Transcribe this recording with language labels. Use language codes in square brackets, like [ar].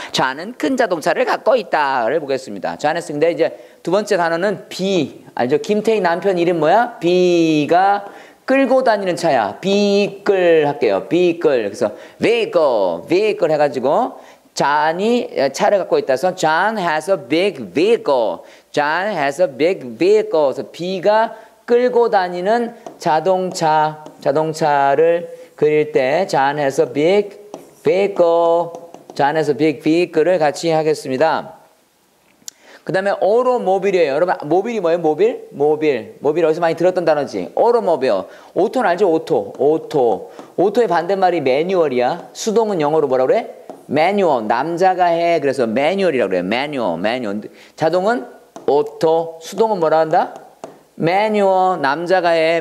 [ko] 자는 큰 자동차를 갖고 있다를 보겠습니다. [en] John has. [ko] 근데 이제 두 번째 단어는 B. 알죠? 김태희 남편 이름 뭐야? B가 끌고 다니는 차야. B끌 할게요. B끌. 그래서 vehicle, vehicle 해가지고 John이 차를 갖고 있다. [en] 그래서 John has a big vehicle. John has a big vehicle. [ko] 그래서 B가 끌고 다니는 자동차를 그릴 때 John has a big vehicle. [en] John has a big vehicle을 같이 하겠습니다. [ko] 그 다음에 오토모빌이에요. 여러분 모빌이 뭐예요? 모빌? 모빌. 모빌 어디서 많이 들었던 단어지? 오토모빌. 오토는 알죠? 오토. 오토. 오토의 반대말이 매뉴얼이야. 수동은 영어로 뭐라 그래? 매뉴얼. 남자가 해. 그래서 매뉴얼이라고 그래. 매뉴얼. 매뉴얼. 자동은? 오토. 수동은 뭐라 한다? 매뉴얼. 남자가 해.